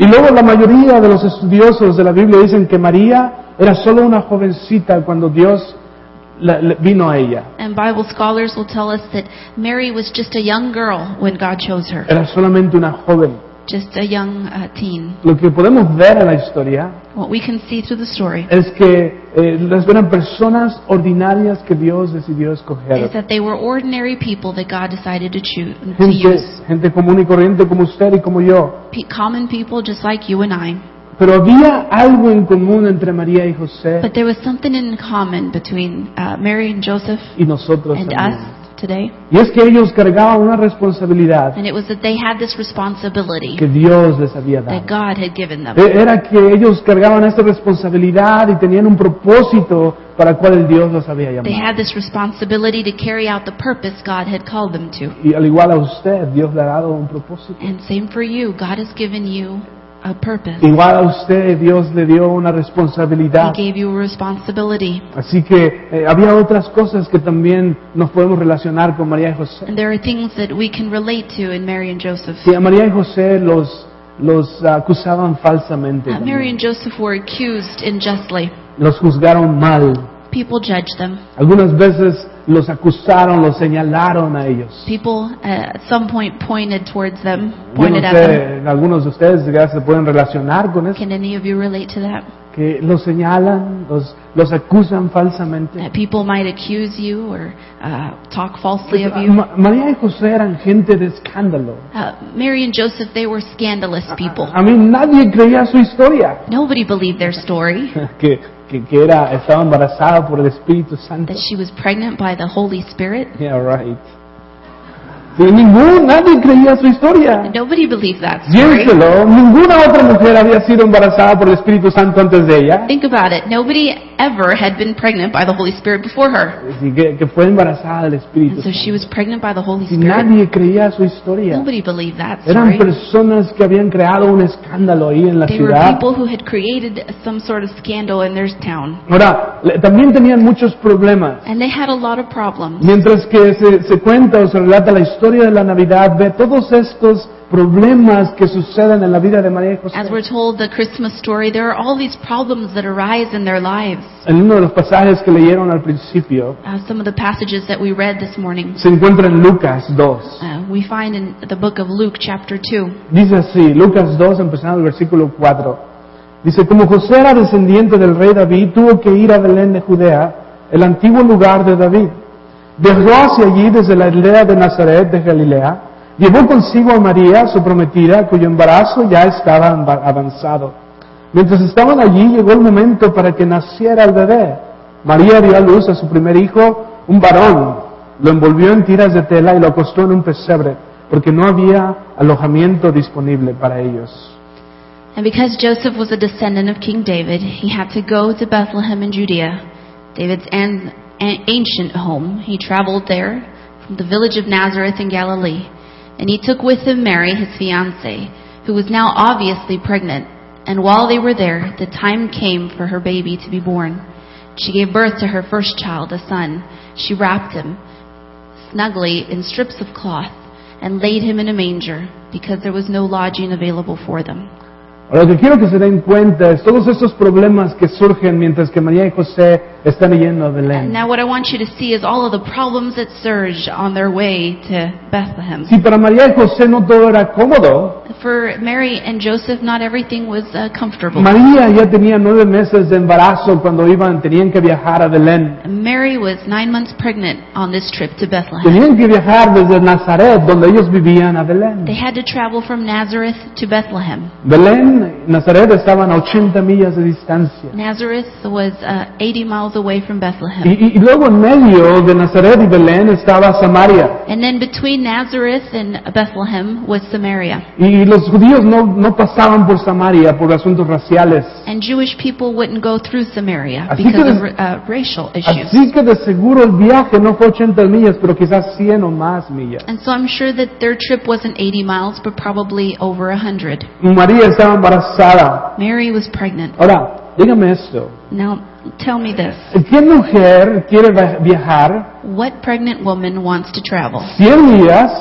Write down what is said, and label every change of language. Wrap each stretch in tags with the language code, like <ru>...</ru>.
<es>Y luego la mayoría de los estudiosos de la Biblia dicen que María era solo una jovencita cuando Dios le vino a ella.</es> <en>And Bible scholars will tell us that Mary was just a young girl when God chose her.</en> <es>Era solamente una joven.</es> <en>Just a young teen.</en> <es>Lo que podemos ver en la historia,</es> <en>what we can see through the story,</en> <es>es que las eran personas ordinarias que Dios decidió escoger.</es> <en>Is that they were ordinary people that God decided to choose.</en> <es>Gente común y corriente como usted y como yo.</es> <en>Common people just like you and I.</en> <es>Pero había algo en común entre María y José.</es> <en>But there was something in common between Mary and Joseph</en> <es>y nosotros</es> <en>and</en> <es>también</es> <en>us today.</en> <es>Y es que ellos cargaban una responsabilidad.</es> <en>And it was that they had this responsibility</en> <es>que Dios les había dado.</es> <en>That God had given them.</en> <es>Era que ellos cargaban esta responsabilidad y tenían un propósito para el cual Dios los había llamado.</es> <en>They had this responsibility to carry out the purpose God had called them to.</en> <es>Y al igual a usted, Dios le ha dado un propósito.</es> <en>And same for you, God has given you a purpose.</en> <es>Igual a usted, Dios le dio una responsabilidad.</es> <en>He gave you a responsibility.</en> <es>Así que había otras cosas que también nos podemos relacionar con María y José.</es> <en>And there are things that we can relate to in Mary and Joseph.</en> <es>Sí, a María y José los los acusaban falsamente.</es> <en>Mary and Joseph were accused unjustly.</en> <es>Los juzgaron mal.</es> <en>People judged them.</en> <es>Algunas veces los acusaron, los señalaron a ellos.</es> <en>People at some point pointed towards them, pointed at them.</en> <es>Algunos de ustedes ya se pueden relacionar con eso.</es> <en>Can any of you relate to that?</en> <es>Que los señalan, los acusan falsamente.</es> <en>That people might accuse you or talk falsely of you.</en> <es>María y José eran gente de escándalo.</es> <en>Mary and Joseph, they were scandalous people. I mean,</en> <es>nadie creía su historia.</es> <en>Nobody believed their story.</en> <es>que era, estaba embarazada por el Espíritu Santo.</es> <en>That she was pregnant by the Holy Spirit. Yeah, right.</en> <es>Sí, nadie creía su historia.</es> <en>Nobody believed that story.</en> <es>Piénselo, ninguna otra mujer había sido embarazada por el Espíritu Santo antes de ella.</es> <en>Think about it. Nobody ever had been pregnant by the Holy Spirit before her.</en> <es>Sí, que fue embarazada del Espíritu</es> <en>And</en> <es>Santo.</es> <en>So she was pregnant by the Holy Spirit.</en> <es>Y nadie creía su historia.</es> <en>Nobody believed that story.</en> <es>Eran personas que habían creado un escándalo ahí en la</es> <en>They</en> <es>ciudad.</es> <en>Were people who had created some sort of scandal in their town.</en> <es>Ahora, también tenían muchos problemas.</es> <en>And they had a lot of problems.</en> <es>Mientras que se cuenta o se relata la historia. La historia de la Navidad ve todos estos problemas que suceden en la vida de María y José.</es> <en>As we're told the Christmas story, there are all these problems that arise in their lives.</en> <es>En uno de los pasajes que leyeron al principio,</es> <en>some of the passages that we read this morning,</en> <es>se encuentra en Lucas 2.</es> <en>We find in the book of Luke, chapter 2.</en> <es>Dice así, Lucas 2, empezando el versículo 4. Dice, como José era descendiente del rey David, tuvo que ir a Belén de Judea, el antiguo lugar de David. Viajó hacia allí desde la aldea de Nazaret de Galilea, llevó consigo a María, su prometida, cuyo embarazo ya estaba avanzado. Mientras estaban allí, llegó el momento para que naciera el bebé. María dio a luz a su primer hijo, un varón. Lo envolvió en tiras de tela y lo acostó en un pesebre, porque no había alojamiento disponible para ellos.</es> <en>And because Joseph was a descendant of King David, he had to go to Bethlehem in Judea, David's ancient home. He traveled there from the village of Nazareth in Galilee, and he took with him Mary, his fiancée, who was now obviously pregnant. And while they were there, the time came for her baby to be born. She gave birth to her first child, a son. She wrapped him snugly in strips of cloth and laid him in a manger because there was no lodging available for them.</en> <es>Ahora, lo que quiero que se den cuenta es todos esos problemas que surgen mientras que María y José están yendo a Belén.</es> <en>Now what I want you to see is all of the problems that surge on their way to Bethlehem.</en> <es>Sí, para María y José no todo era cómodo.</es> <en>For Mary and Joseph, not everything was comfortable.</en> <es>María ya tenía 9 meses de embarazo cuando tenían que viajar a Belén.</es> <en>Mary was 9 months pregnant on this trip to Bethlehem.</en> <es>Tenían que viajar desde Nazaret, donde ellos vivían, a Belén.</es> <en>They had to travel from Nazareth to Bethlehem.</en> <es>Belén. Nazaret estaban a 80 millas de distancia.</es> <en>Nazareth was 80 miles away from Bethlehem.</en> <es>Y luego en medio de Nazaret y Belén estaba Samaria.</es> <en>And then between Nazareth and Bethlehem was Samaria.</en> <es>Y los judíos no pasaban por Samaria por asuntos raciales.</es> <en>And Jewish people wouldn't go through Samaria because of racial issues.</en> <es>Así que de seguro el viaje no fue 80 millas, pero quizás 100 o más millas.</es> <en>And so I'm sure that their trip wasn't 80 miles, but probably over 100.</en> <es>María estaba embarazada.</es> <en>Mary was pregnant.</en> <es>Ahora, dígame esto.</es> <en>Now, tell me this.</en> <es>¿Qué mujer quiere viajar?</es> <en>What pregnant woman wants to travel?</en> <es>100 millas.</es>